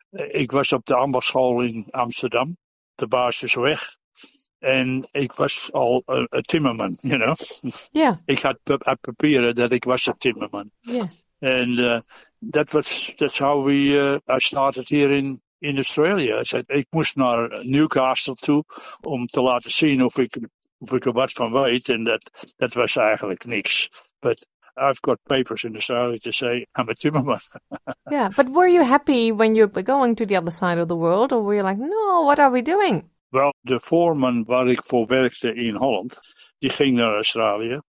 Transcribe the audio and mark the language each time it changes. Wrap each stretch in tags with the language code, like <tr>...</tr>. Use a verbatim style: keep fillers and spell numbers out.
<nl>Ik was op de ambachtschool in Amsterdam. De baas is weg. En ik was al een uh, timmerman,</nl> <en>you know. Yeah.</en> <nl>Ik had p- papieren dat ik was een timmerman.</nl> <en>Yeah.</en> <nl>En uh, dat was</nl> <en>that's how we uh, I started here in, in Australia.</en> <nl>Ik moest naar Newcastle toe om te laten zien of ik, of ik er wat van weet. En dat, dat was eigenlijk niks.</nl> <en>But I've got papers in Australia to say I'm a timmerman. Yeah, but were you happy when you were going to the other side of the world? Or were you like, no, what are we doing?</en> <nl>Wel, de foreman waar ik voor werkte in Holland, die ging naar Australië.</nl>